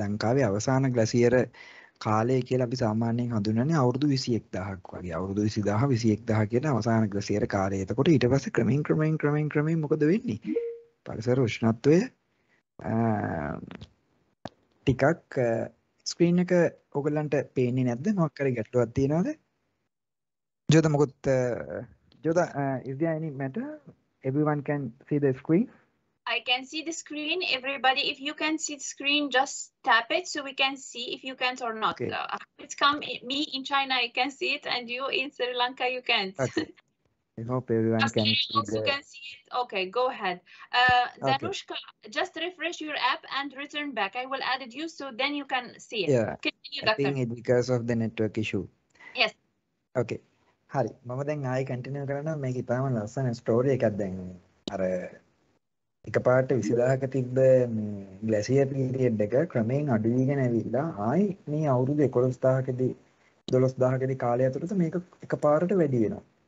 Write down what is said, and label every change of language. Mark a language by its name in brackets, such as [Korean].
[Sinhala] ලංකාවේ අවසාන ග්ලැසියර කාලය කියලා අපි සාමාන්‍යයෙන් හඳුන්වන්නේ අවුරුදු 21000ක් වගේ. අවුරුදු 20000 21000 කියන අවසාන ග්ලැසියර කාලය. එතකොට ඊට පස්සේ ක්‍රමයෙන් මොකද වෙන්නේ? පරිසර උෂ්ණත්වය ටිකක් ස්ක්‍රීන් එක ඔයගලන්ට පේන්නේ නැද්ද? මොකක් කරේ ගැටලුවක් තියෙනවද? ජෝදා මොකොත් ජෝදා [English] is there any matter? Everyone can see the screen? I can see the screen. Everybody, if you can see the screen, just tap it so we can see if you can't or not. Okay. It's come, me in China, I can see it, and you in Sri Lanka, you can't. Okay. I hope everyone just can, also can see it. Okay, go ahead. Zanushka, just refresh your app and return back. I will add it you so then you can see it. Yeah. Continue, doctor. I think it's because of the network issue. Yes. [Sinhala] Okay. හරි, මම දැන් ආයි continue කරනවා. මේක ඉතාම ලස්සන story එකක්. දැන් අර එකපාරට 20000ක තිබ්බ මේ ග්ලැසියර් පීරියඩ් එක ක්‍රමයෙන් අඩු වීගෙන ඇවිල්ලා ආයි මේ අවුරුදු 11000කදී 12000කදී කාලය ඇතුළත මේක එකපාරට වැඩි වෙනවා.